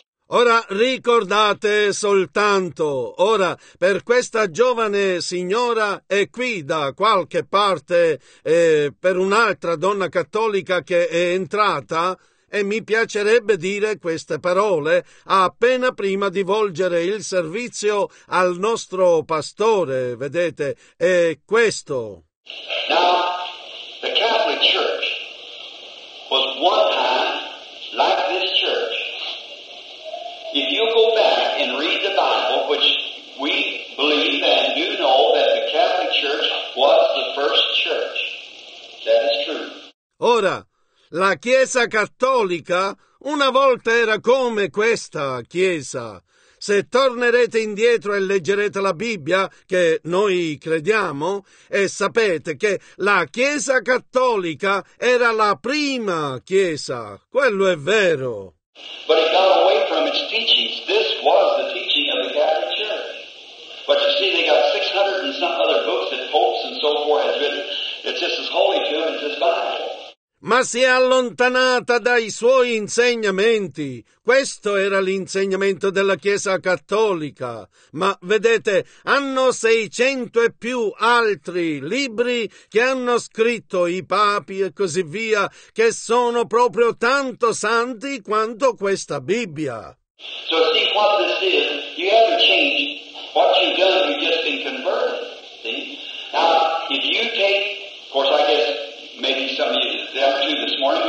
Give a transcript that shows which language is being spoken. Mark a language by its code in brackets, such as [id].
[it] Ora ricordate soltanto, ora, per questa giovane signora è qui da qualche parte, per un'altra donna cattolica che è entrata, e mi piacerebbe dire queste parole appena prima di volgere il servizio al nostro pastore, vedete, è questo. [en] Now, the Catholic Church was one time like this church. If you go back and read the Bible, which we believe and do know that the Catholic Church was the first church, that is true. [it] Ora, la Chiesa Cattolica una volta era come questa Chiesa. Se tornerete indietro e leggerete la Bibbia, che noi crediamo, e sapete che la Chiesa Cattolica era la prima Chiesa, quello è vero. [en] But it got away from its teachings. This was the teaching of the Catholic Church. But you see, they got 600 and some other books that popes and so forth have written. It's just as holy to them as this Bible. [it] Ma si è allontanata dai suoi insegnamenti. Questo era l'insegnamento della Chiesa Cattolica. Ma vedete, hanno 600 e più altri libri che hanno scritto i papi e così via, che sono proprio tanto santi quanto questa Bibbia. [en] So see what this is. You haven't changed. What you've done, you've just been converted. See? Now, if you take, of course, I guess maybe some of you, there are two this morning.